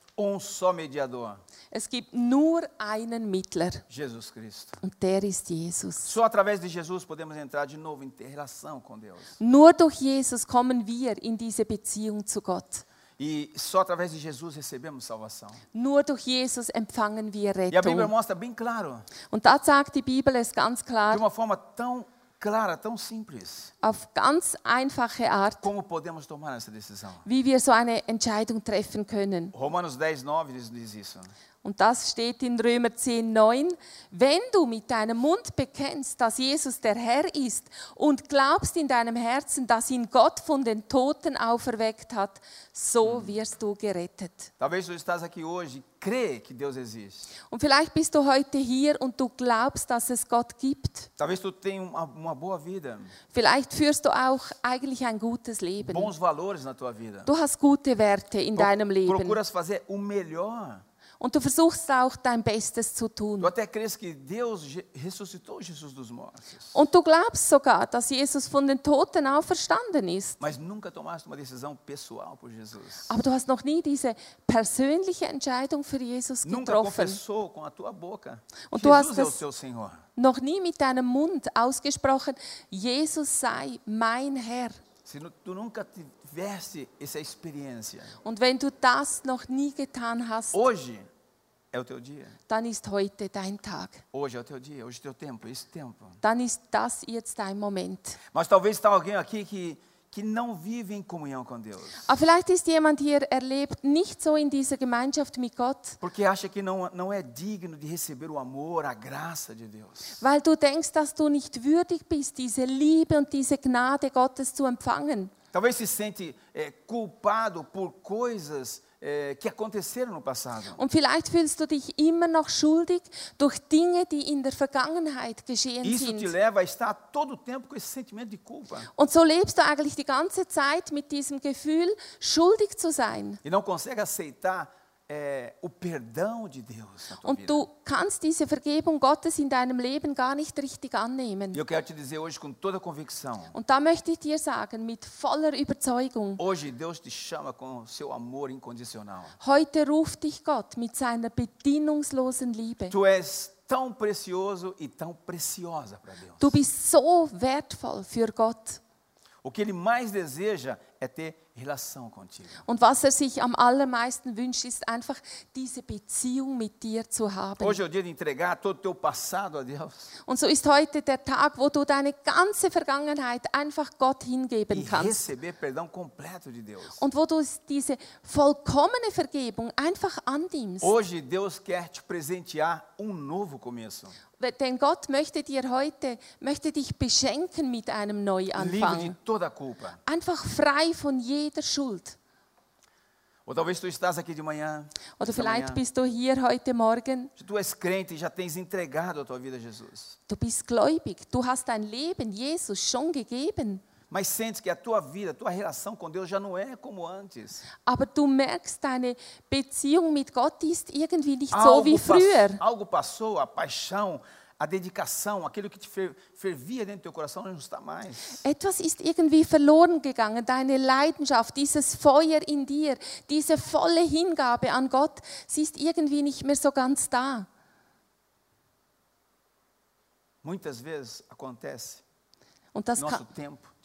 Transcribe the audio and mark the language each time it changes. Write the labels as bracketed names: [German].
[Portuguese] Só mediador. [German] Es gibt nur einen Mittler. [Portuguese] Jesus Cristo. [German] Und der ist Jesus. [Portuguese] Só através de Jesus podemos entrar de novo em relação com Deus. [German] Nur durch Jesus kommen wir in diese Beziehung zu Gott. [Portuguese] E só através de Jesus recebemos salvação. [German] Nur durch Jesus empfangen wir Rettung. [Portuguese] E a Bíblia mostra bem claro. [German] Und da sagt die Bibel es ganz klar. [Portuguese] De uma forma tão clara, tão simples. [German] Auf ganz einfache Art. [Portuguese] Como podemos tomar essa decisão? [German] Wie wir so eine Entscheidung treffen können. [Portuguese] Romanos 10, 9 diz isso. [German] Und das steht in Römer 10, 9. Wenn du mit deinem Mund bekennst, dass Jesus der Herr ist und glaubst in deinem Herzen, dass ihn Gott von den Toten auferweckt hat, so wirst du gerettet. [Portuguese] Talvez du estás aqui hoje crê que Deus existe. [German] Und vielleicht bist du heute hier und du glaubst, dass es Gott gibt. [Portuguese] Talvez tu tenha uma boa vida. [German] Vielleicht führst du auch eigentlich ein gutes Leben. [Portuguese] Bons valores na tua vida. [German] Du hast gute Werte in deinem Leben. [Portuguese] Procuras fazer o melhor. [German] Und du versuchst auch dein Bestes zu tun. [Portuguese] Du até crês que Deus ressuscitou Jesus dos mortos. [German] Und du glaubst sogar, dass Jesus von den Toten auferstanden ist. [Portuguese] Mas nunca tomaste uma decisão pessoal por Jesus. [German] Aber du hast noch nie diese persönliche Entscheidung für Jesus getroffen. [Portuguese] Nunca confessou com a tua boca. [German] Und du hast [Portuguese] Jesus é o teu Senhor. [German] Noch nie mit deinem Mund ausgesprochen, Jesus sei mein Herr. [Portuguese] Se tu nunca tivesse essa experiência. [German] Und wenn du das noch nie getan hast. [Portuguese] Hoje é o teu dia. [German] Dann ist heute dein Tag. [Portuguese] Hoje é o teu dia, hoje é o teu tempo, esse tempo. [German] Dann ist das jetzt dein Moment. [Portuguese] Mas talvez tenha alguém aqui que não vive em comunhão com Deus. [German] Aber vielleicht ist jemand hier, er lebt nicht so in dieser Gemeinschaft mit Gott. [Portuguese] Porque acha que não é digno de receber o amor, a graça de Deus. [German] Weil du denkst, dass du nicht würdig bist, diese Liebe und diese Gnade Gottes zu empfangen. [Portuguese] Talvez se sente culpado por coisas que aconteceram no passado. [German] Und vielleicht fühlst du dich immer noch schuldig durch Dinge, die in der Vergangenheit geschehen [Portuguese] Isso [German] sind. [Portuguese] Te leva a estar todo o tempo com esse sentimento de culpa. [German] Und so lebst du eigentlich die ganze Zeit mit diesem Gefühl, schuldig zu sein. [Portuguese] E não consegue aceitar o perdão de Deus na tua [German] Und [Portuguese] vida. [German] Du kannst diese Vergebung Gottes in deinem Leben gar nicht richtig annehmen. [Portuguese] E eu quero te dizer hoje com toda a convicção. [German] Und da möchte ich dir sagen mit voller Überzeugung. [Portuguese] Hoje Deus te chama com seu amor incondicional. [German] Heute ruft dich Gott mit seiner bedingungslosen Liebe. [Portuguese] Tu és tão precioso e tão preciosa para Deus. [German] Du bist so wertvoll für Gott. [Portuguese] O que ele mais deseja é ter relação contigo. [German] Und was er sich am allermeisten wünscht, ist einfach diese Beziehung mit dir zu haben. [Portuguese] Hoje é o dia de entregar todo o teu passado a Deus. [German] Und so ist heute der Tag, wo du deine ganze Vergangenheit einfach Gott hingeben kannst. [Portuguese] E receber perdão completo de Deus. [German] Und wo du diese vollkommene Vergebung einfach annimmst. [Portuguese] Hoje Deus quer te presentear novo começo. [German] Denn Gott möchte dir heute, möchte dich beschenken mit einem Neuanfang. [Portuguese] Livre de toda culpa. [German] Einfach frei von jeder Schuld. [Portuguese] Ou talvez tu estás aqui de manhã. [German] Oder vielleicht bist du hier heute Morgen. [Portuguese] Se tu és crente, já tens entregado a tua vida a Jesus. [German] Du bist gläubig, du hast dein Leben Jesus schon gegeben. [Portuguese] Mas sente que a tua vida, a tua relação com Deus já não é como antes. [German] Aber du merkst, deine Beziehung mit Gott ist irgendwie nicht so wie früher. [Portuguese] Algo passou, a paixão, a dedicação, aquilo que te fervia dentro do teu coração não está mais. [German] Etwas ist irgendwie verloren gegangen, deine Leidenschaft, dieses Feuer in dir, diese volle Hingabe an Gott, sie ist irgendwie nicht mehr so ganz da. [Portuguese] Muitas vezes acontece. [German] Und das [Portuguese] nosso tempo.